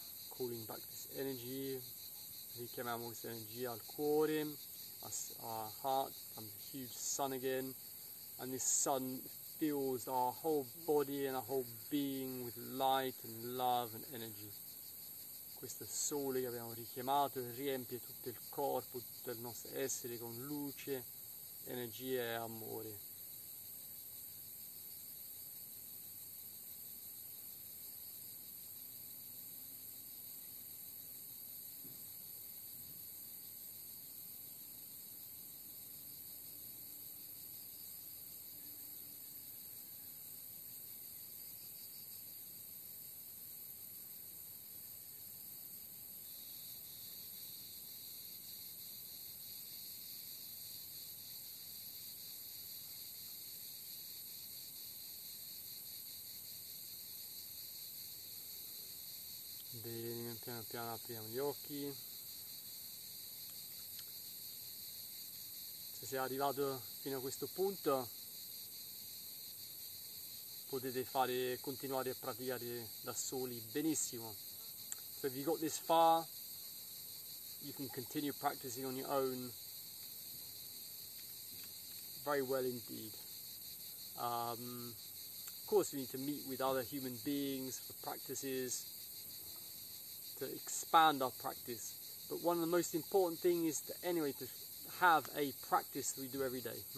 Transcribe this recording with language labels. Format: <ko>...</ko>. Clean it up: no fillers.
<en>cooling back this energy,</en> <it>richiamiamo questa energia al cuore,</it> <en>our heart, from the huge sun again, and this sun fills our whole body and our whole being with light and love and energy.</en> <it>Questo sole che abbiamo richiamato riempie tutto il corpo, tutto il nostro essere con luce, energia e amore. Piano piano apriamo gli occhi. Se sei arrivato fino a questo punto, potete continuare a praticare da soli benissimo.</it> <en>So if you got this far, you can continue practicing on your own very well indeed. Of course you need to meet with other human beings for practices to expand our practice, but one of the most important things is to have a practice we do every day.</en>